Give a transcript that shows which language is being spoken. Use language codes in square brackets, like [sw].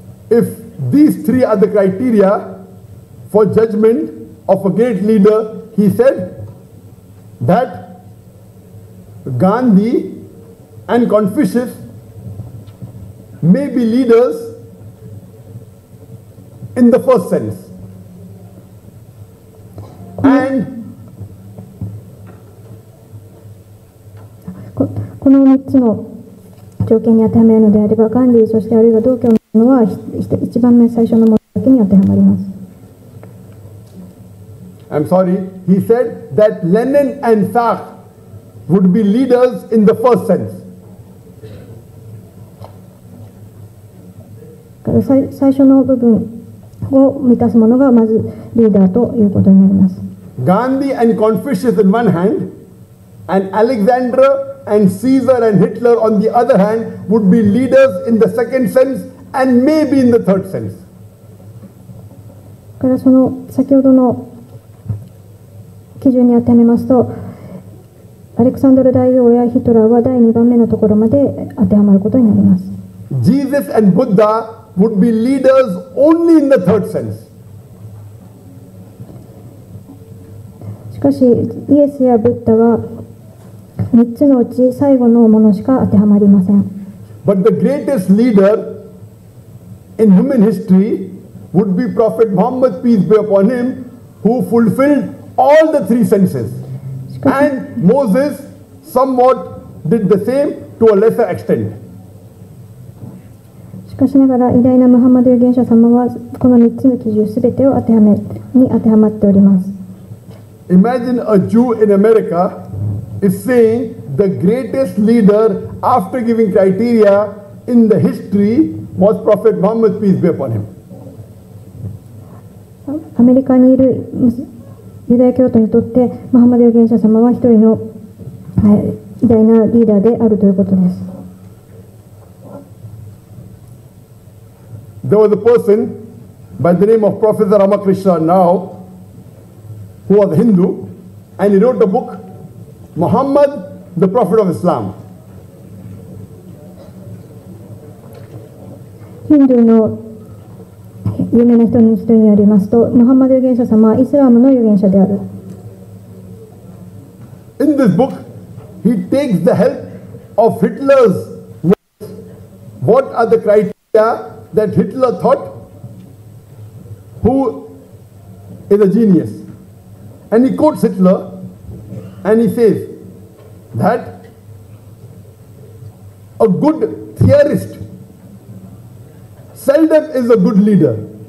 [en] If these three are the criteria for judgment of a great leader, he said that Gandhi and Confucius may be leaders in the first sense. And [ja] この3つの条件に当てはめるのであれば、ガンディ、そしてあるいは同教のは一番目最初のものだけに当てはまります。 [en] I'm sorry, he said that Lenin and Sartre would be leaders in the first sense. [ja] 最初の部分を満たすものがまずリーダーということになります。 [en] Gandhi and Confucius on one hand, and Alexander and Caesar and Hitler on the other hand would be leaders in the second sense and maybe in the third sense. [ja] からその先ほどの基準に当てはめますと、アレクサンドル大王やヒトラーは第2番目のところまで当てはまることになります。 [en] Jesus and Buddha would be leaders only in the third sense. [ja] しかしイエスやブッダは3つのうち最後のものしか当てはまりません。 [en] But the greatest leader in human history would be Prophet Muhammad, peace be upon him, who fulfilledall the three senses. And Moses somewhat did the same to a lesser extent. [ja] しかしながら偉大なムハンマド預言者様はこの3つの基準すべてを当てはまっております。 [en] Imagine a Jew in America is saying the greatest leader after giving criteria in the history was Prophet Muhammad, peace be upon him. [ja] アメリカにいるユダヤ教徒にとってムハンマド預言者様は一人の偉大なリーダーであるということです。 [en] There was a person by the name of Professor Ramakrishna Rao, who was a Hindu, and he wrote a book, Muhammad, the Prophet of Islam. [ja] ヒンドゥーの有名な人の人によりますと、ムハンマド預言者様はイスラムの預言者である。 [en] In this book, he takes the help of Hitler's words. What are the criteria that Hitler thought? Who is a genius? And he quotes Hitler, and he says that a good theorist seldom is a good leader.